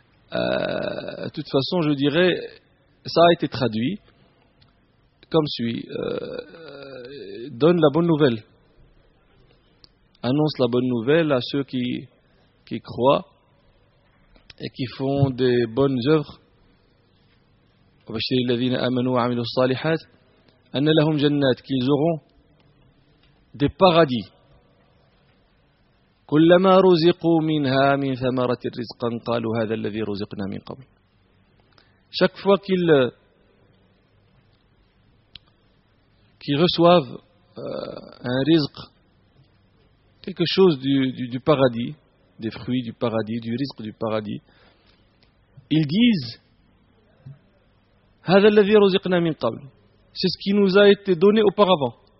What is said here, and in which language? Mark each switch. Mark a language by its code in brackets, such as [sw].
[fr] De toute façon, je dirais, ça a été traduit comme suit. Donne la bonne nouvelle. Annonce la bonne nouvelle à ceux qui croient et qui font des bonnes œuvres. [ar] وَبَشِّرِ الَّذِينَ آمَنُوا وَعَمِلُوا الصَّالِحَاتِ أَنَّ لَهُمْ جَنَّاتٍ [fr] qu'ils auront des paradis. [ar] كلما رزقوا منها من ثمرة رزقا قالوا هذا الذي رزقنا من قبل. [fr] Chaque fois qu'ils reçoivent un rizq, quelque chose du paradis, des fruits du paradis, du rizq du paradis, ils disent [ar] هذا الذي رزقنا من قبل, [fr] c'est ce qui nous a été donné auparavant.